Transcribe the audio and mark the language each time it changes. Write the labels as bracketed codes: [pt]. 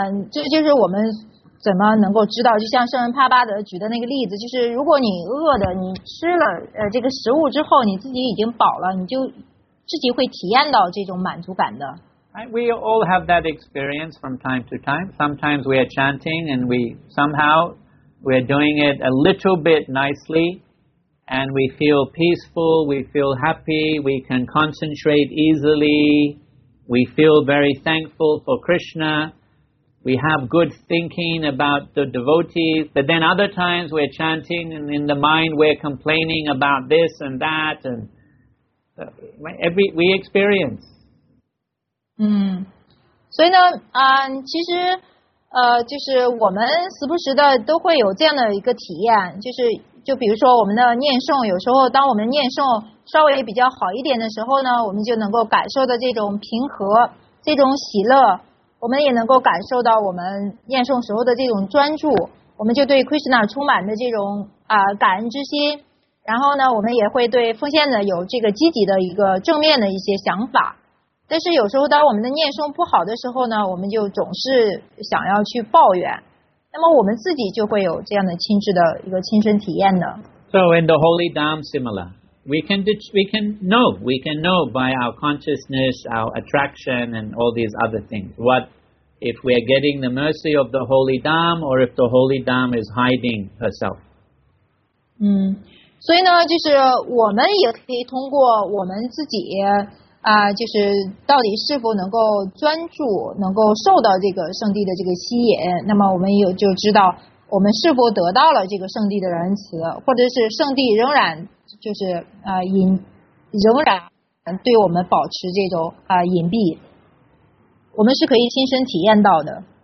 [zh] 这就是我们怎么能够知道，就像圣人帕巴德举的那个例子，就是如果你饿的，你吃了这个食物之后，你自己已经饱了，你就自己会体验到这种满足感的。 [en] We all have that experience from time to time. Sometimes we are chanting and we somehow we're doing it a little bit nicely and we feel peaceful, we feel happy, we can concentrate easily, we feel very thankful for Krishna. We have good thinking about the devotees, but then other times we're chanting and in the mind we're complaining about this and that, and we experience. [zh] 所以呢，其实就是我们时不时的都会有这样的一个体验，就比如说我们的念诵，有时候当我们念诵稍微比较好一点的时候呢，我们就能够感受到这种平和，这种喜乐。我们也能够感受到我们念诵时候的这种专注，我们就对 Krishna 充满的这种感恩之心，然后呢，我们也会对奉献者有这个积极的一个正面的一些想法。但是有时候当我们的念诵不好的时候呢，我们就总是想要去抱怨，那么我们自己就会有这样的亲自的一个亲身体验的。 [en] So in the holy Dham similar, we can know by our consciousness, our attraction, and all these other things. What if we are getting the mercy of the holy Dham, or if the holy Dham is hiding herself? [zh] 所以呢，就是我们也可以通过我们自己就是到底是否能够专注，能够受到这个圣地的这个吸引，那么我们也就知道我们是否得到了这个圣地的仁慈，或者是圣地仍然就是仍然对我们保持这种隐蔽，我们是可以亲身体验到的。